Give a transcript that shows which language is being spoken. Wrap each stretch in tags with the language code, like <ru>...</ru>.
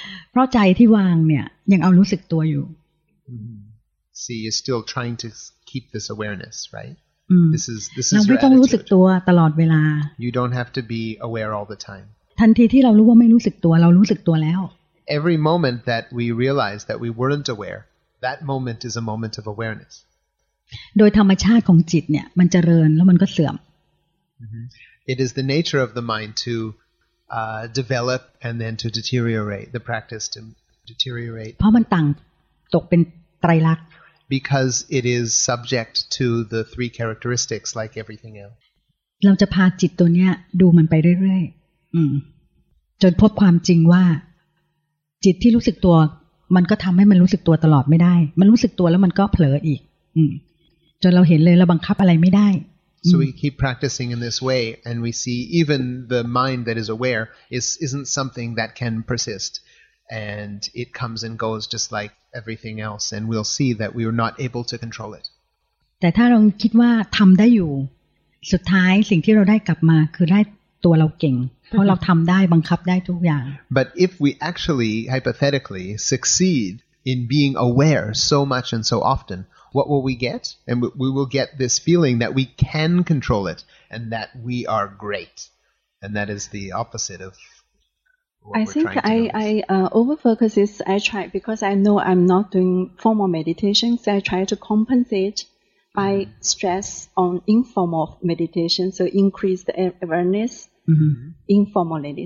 <th>เพราะใจที่วางเนี่ยยังเอารู้สึกตัวอยู่</th> <en>see you're still trying to keep this awareness right this is</en> <th>เราไม่ต้องรู้สึกตัวตลอดเวลา</th> <en>you don't have to be aware all the time</en> <th>ทันทีที่เรารู้ว่าไม่รู้สึกตัวเรารู้สึกตัวแล้ว</th> <en>every moment that we realize that we weren't aware that moment is a moment of awareness</en> <th>โดยธรรมชาติของจิตเนี่ยมันเจริญแล้วมันก็เสื่อม</th> <en>It is the nature of the mind to develop and then to deteriorate, the practice to deteriorate.</en> <th>เพราะมันต่างตกเป็นไตรลักษณ์</th> <en>Because it is subject to the three characteristics like everything else.</en> <th>เราจะพาจิตตัวเนี้ยดูมันไปเรื่อยๆจนพบความจริงว่าจิตที่รู้สึกตัวมันก็ทำให้มันรู้สึกตัวตลอดไม่ได้มันรู้สึกตัวแล้วมันก็เผลออีกจนเราเห็นเลยเราบังคับอะไรไม่ได้</th> <en>So we keep practicing in this way, and we see even the mind that is aware isn't something that can persist, and it comes and goes just like everything else. And we'll see that we are not able to control it.</en> <th>แต่ถ้าเราคิดว่าทำได้อยู่สุดท้ายสิ่งที่เราได้กลับมาคือได้ตัวเราเก่งเพราะเราทำได้บังคับได้ทุกอย่าง</th> <en>But if we actually hypothetically succeed in being aware so much and so often. What will we get? And we will get this feeling that we can control it, and that we are great, and that is the opposite of. Overfocus is I try because I know I'm not doing formal meditation, so I try to compensate by stress on informal meditation, so increase the awareness informally.</en>